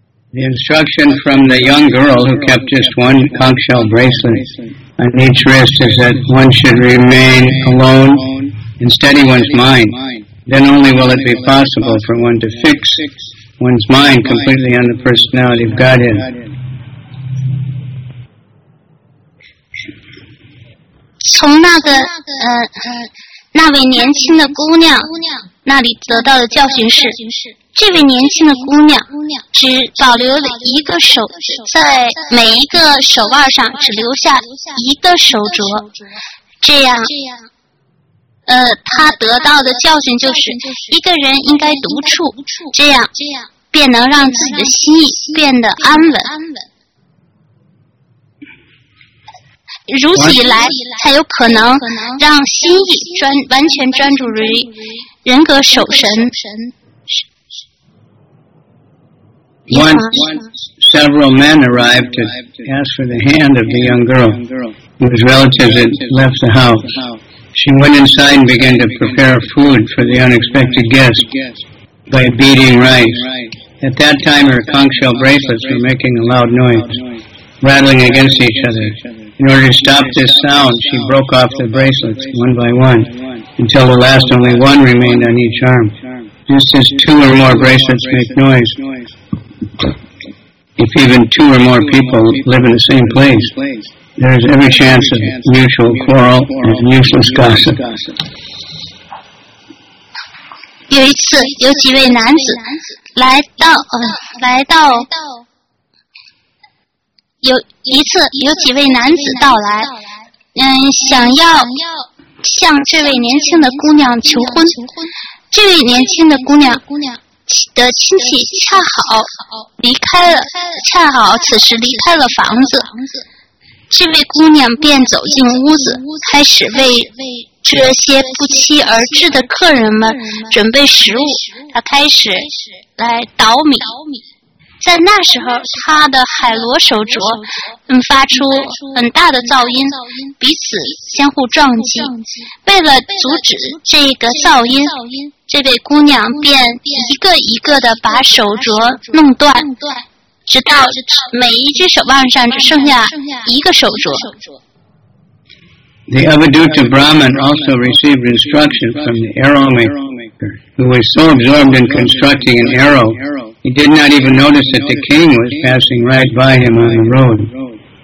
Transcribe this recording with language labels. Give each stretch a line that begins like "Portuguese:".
English: The instruction from the young girl who kept just one conch shell bracelet on each wrist is that one should remain alone and steady one's mind. Then only will it be possible for one to fix one's mind completely on the personality of Godhead.
Chinese: 从那位年轻的姑娘那里得到的教训是，这位年轻的姑娘只保留了一个手，在每一个手腕上只留下一个手镯，这样她得到的教训就是一个人应该独处，这样便能让自己的心意变得安稳，如此以来才有可能让心意完全专注于人格守神。
English: Once several men arrived to ask for the hand of the young girl whose relatives had left the house. She went inside and began to prepare food for the unexpected guest by beating rice. At that time her conch shell bracelets were making a loud noise, rattling against each other. In order to stop this sound, she broke off the bracelets one by one until the last only one remained on each arm. Just as two or more bracelets make noise, If even two or more people live in the same place, there is every chance of mutual quarrel and useless gossip.
Chinese: 有一次，有几位男子来到，有一次，有几位男子到来，想要向这位年轻的姑娘求婚。这位年轻的姑娘的亲戚恰好离开了，恰好此时离开了房子。这位姑娘便走进屋子，开始为这些不期而至的客人们准备食物。她开始来捣米。在那时候，她的海螺手镯发出很大的噪音，彼此相互撞击。为了阻止这个噪音，这位姑娘便一个一个地把手镯弄断，直到每一只手腕上只剩下一个手镯。
English: The Avaduta Brahman also received instruction from the arrow maker, who was so absorbed in constructing an arrow, he did not even notice that the king was passing right by him on the road.